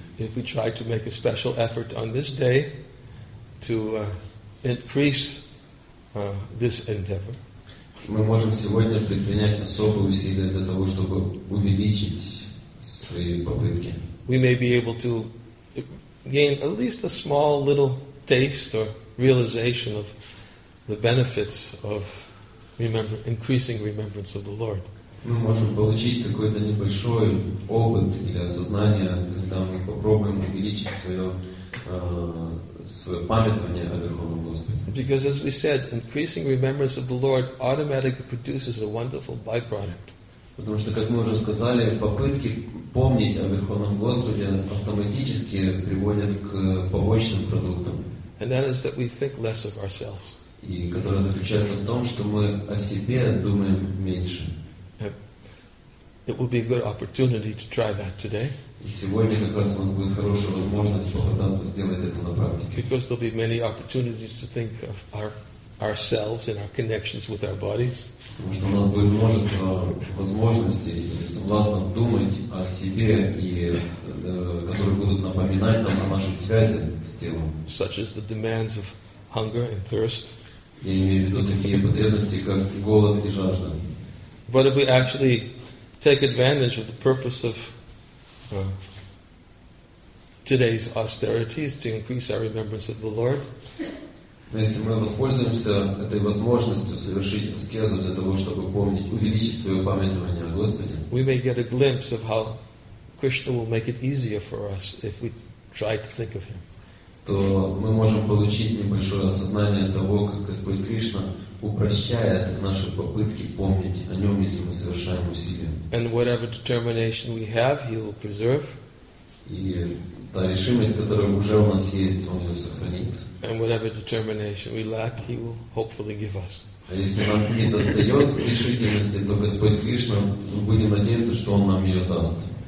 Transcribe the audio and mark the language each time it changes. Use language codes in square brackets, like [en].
[en] If we try to make a special effort on this day to increase this endeavor, [ru] мы можем сегодня предпринять особые усилия для того, чтобы увеличить свои попытки. [en] We may be able to gain at least a small little taste or realization of the benefits of increasing remembrance of the Lord. [ru] Мы можем получить какой-то небольшой опыт или осознание, когда мы попробуем увеличить свое памятование о Верховном Господе. [en] Because as we said, increasing remembrance of the Lord automatically produces a wonderful byproduct. [ru] Потому что, как мы уже сказали, попытки помнить о Верховном Господе автоматически приводят к побочным продуктам. [en] And that is that we think less of ourselves. [ru] И которое заключается в том, что мы о себе думаем меньше. [en] It will be a good opportunity to try that today. [ru] И сегодня как раз у нас будет хорошая возможность попытаться сделать это на практике. [en] Because there'll be many opportunities to think of ourselves and our connections with our bodies. [ru] Потому что у нас будет множество возможностей, согласно думать о себе и которые будут напоминать нам о наших связях с телом. [en] Such as the demands of hunger and thirst. [ru] Я имею в виду такие потребности, как голод и жажда. [en] But if we actually take advantage of the purpose of today's austerities to increase our remembrance of the Lord. [ru] Если мы воспользуемся этой возможностью совершить аскезу для того, чтобы помнить, увеличить свое памятование о Господе, [en] we may get a glimpse of how Krishna will make it easier for us if we try to think of Him. [ru] То мы можем получить небольшое осознание того, как Господь Кришна упрощает наши попытки помнить о Нем, если мы совершаем усилия. [en] And whatever determination we have, He will preserve. [ru] И та решимость, которая уже у нас есть, Он ее сохранит. [en] And whatever determination we lack, He will hopefully give us. [ru] А если нам не достает решительности, то Господь Кришна, мы будем надеяться, что Он нам ее даст.